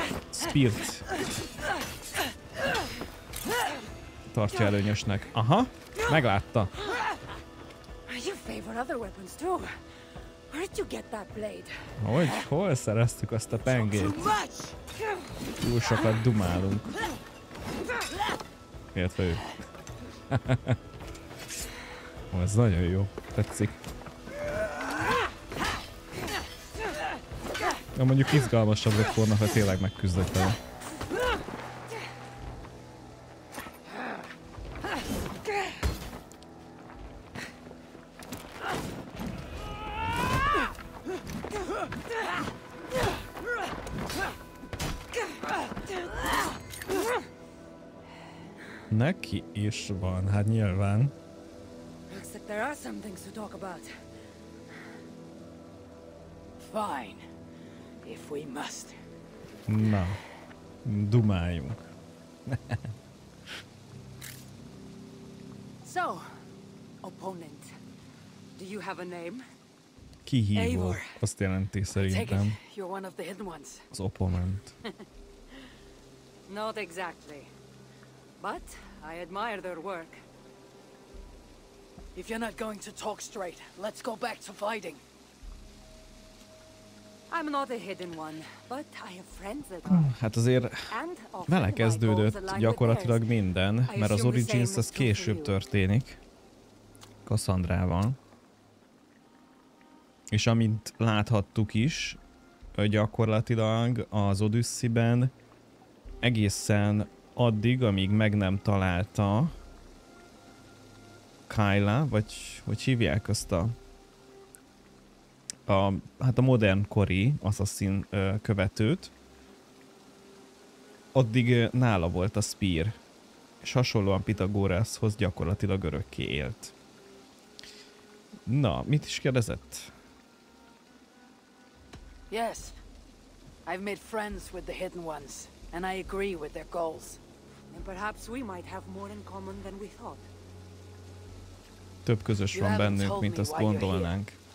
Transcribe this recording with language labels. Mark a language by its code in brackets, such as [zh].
[en] Spirit. [hu] Tartja előnyösnek. Aha, meglátta. [en] You favor other weapons too. Where did you get that blade? [hu] Hogy? Hol szereztük azt a pengét? Túl sokat dumálunk. Értve ő. Oh, ez nagyon jó. Tetszik. Na mondjuk izgalmasabb lett volna, ha tényleg megküzdött vele. Neki is van, hát nyilván. [en] Looks like there are some things to talk about. Fine. If we must. [hu] Na, dumáljunk. [en] So, opponent, do you have a name? [hu] Kihívó, azt jelenti szerintem. [en] You're one of the hidden ones. [hu] Az opponent. [en] Not exactly, but I admire their work. If you're not going to talk straight, let's go back to fighting. I'm not a hidden one, but I have friends that are. [hu] Hát azért vele kezdődött gyakorlatilag minden, mert az Origins az később történik. Cassandrával. És amint láthattuk is, gyakorlatilag az Odysseyben egészen addig, amíg meg nem találta Kyla, vagy hogy hívják azt a hát a modern kori assassin követőt, addig nála volt a Spear, és hasonlóan Pitagorashoz gyakorlatilag örökké élt. Na, mit is kérdezett? [en] Yes, I've made friends with the hidden ones, and I agree with their goals. And perhaps we might have more in common than we thought. [hu] Több közös van bennünk, mint azt gondolnánk.